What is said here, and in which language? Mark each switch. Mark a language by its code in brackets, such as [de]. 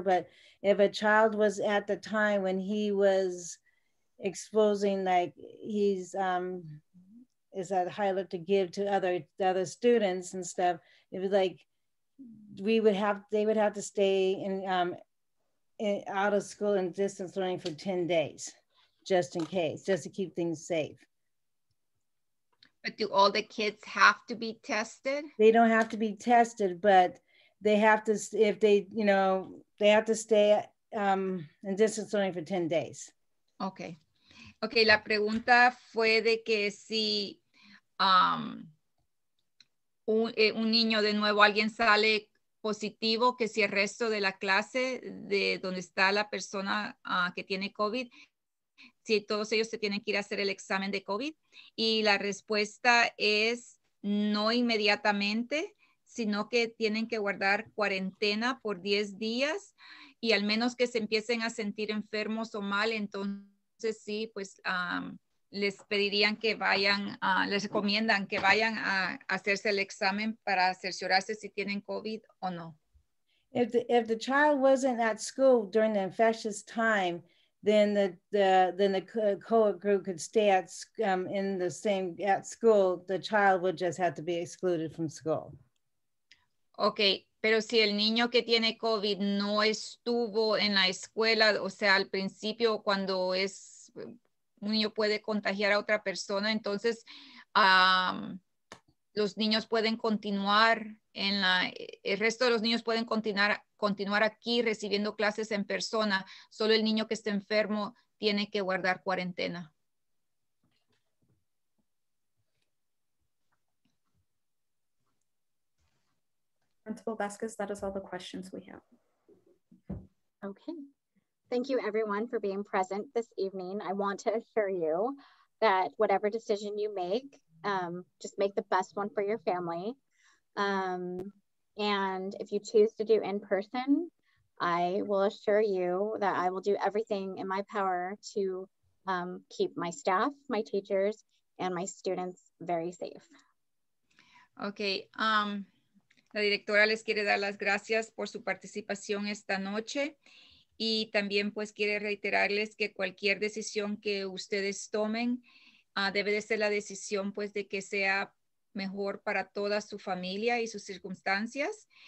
[en] But if a child was at the time when he was exposing, like he's is at high alert to give to other students and stuff, it was like they would have to stay in out of school and distance learning for 10 days just in case, just to keep things safe. But do all the kids have to be tested? They don't have to be tested, but they have to, if they, you know, they have to stay in distance learning for 10 days. Okay. [es] Okay, la pregunta fue de que si un niño de nuevo, alguien sale positivo, que si el resto de la clase de donde está la persona que tiene COVID, si todos ellos se tienen que ir a hacer el examen de COVID. Y la respuesta es no inmediatamente, sino que tienen que guardar cuarentena por 10 días y al menos que se empiecen a sentir enfermos o mal, entonces sí, pues les pedirían que vayan, les recomiendan que vayan a hacerse el examen para cerciorarse si tienen COVID o no. [en] If the child wasn't at school during the infectious time, then the cohort group could stay at in the same at school. The child would just have to be excluded from school. [es] Okay, pero si el niño que tiene COVID no estuvo en la escuela, o sea, al principio cuando es un niño puede contagiar a otra persona, entonces los niños pueden continuar en la, el resto de los niños pueden continuar aquí recibiendo clases en persona, solo el niño que está enfermo tiene que guardar cuarentena. [en] Principal Vasquez, that is all the questions we have. Okay. Thank you everyone for being present this evening. I want to assure you that whatever decision you make, just make the best one for your family. And if you choose to do in person, I will assure you that I will do everything in my power to keep my staff, my teachers, and my students very safe. Okay. [es] La directora les quiere dar las gracias por su participación esta noche. Y también pues quiere reiterarles que cualquier decisión que ustedes tomen debe de ser la decisión pues de que sea mejor para toda su familia y sus circunstancias.